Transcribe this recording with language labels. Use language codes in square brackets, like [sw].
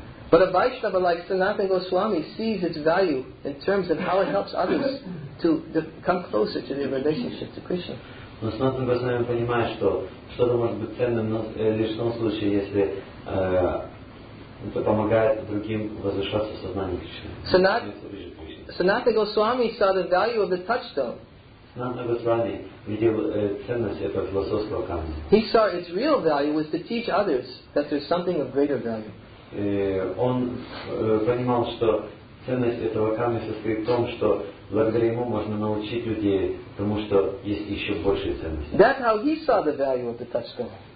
[en] But a Vaishnava like Sanatana Goswami sees its value in terms of how it helps others to come closer to their relationship to Krishna. [ru] Но Санатана Госвами понимает, что что-то может быть ценным лишь в том случае, если это помогает другим возвышаться в сознании Кришны. [en] Sanatana Goswami saw the value of the touchstone. [ru] Sanatana Goswami видел ценность этого философского камня. [en] He saw its real value was to teach others that there's something of greater value. [ru] Он понимал, что ценность этого камня состоит в том, что благодаря ему можно научить людей тому, что есть еще большая ценность. [en] That's how he saw the value of the touchstone.